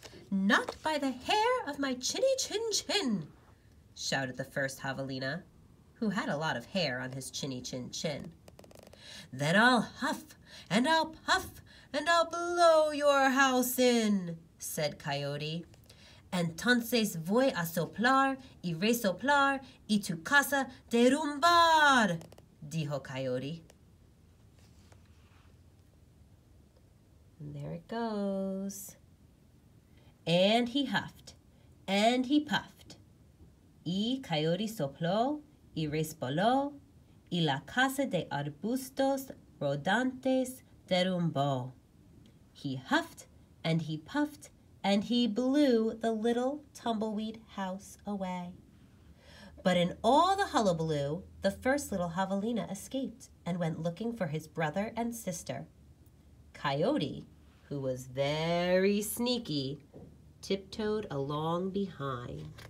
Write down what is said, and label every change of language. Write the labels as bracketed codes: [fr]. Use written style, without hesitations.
[en] Not by the hair of my chinny chin chin, shouted the first javelina, who had a lot of hair on his chinny chin chin. Then I'll huff and I'll puff and I'll blow your house in, said Coyote. [es] Entonces voy a soplar y resoplar y tu casa derrumbar, dijo Coyote. [en] And there it goes. And he huffed, and he puffed. [es] Y Coyote sopló, y resbaló, y la casa de arbustos rodantes derrumbó. [en] He huffed, and he puffed, and he blew the little tumbleweed house away. But in all the hullabaloo, the first little javelina escaped and went looking for his brother and sister. Coyote, who was very sneaky, tiptoed along behind.